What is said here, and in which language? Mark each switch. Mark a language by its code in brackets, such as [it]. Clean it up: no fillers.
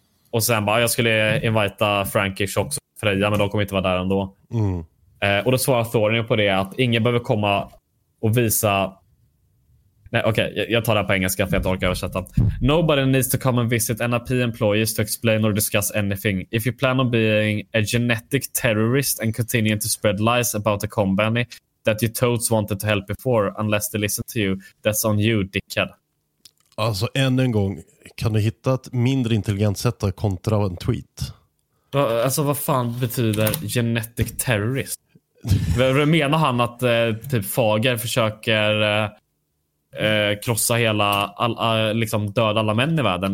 [sv] Och sen bara, jag skulle invita Frankish också, Freja, men de kommer inte vara där ändå. Mm. Och då svarar Thorin på det att ingen behöver komma och visa... Nej, okej. Okay, jag tar det här på engelska för att jag orkar översätta. [en] Nobody needs to come and visit NIP employees to explain or discuss anything. If you plan on being a genetic terrorist and continuing to spread lies about a company that you totes wanted to help before unless they listen to you, that's on you, dickhead. [sv] Alltså, än en gång, kan du hitta ett mindre intelligent sätt att kontra en tweet? Alltså vad fan betyder [en] genetic terrorist? [sv] Menar han att typ Fager försöker krossa hela liksom döda alla män i världen?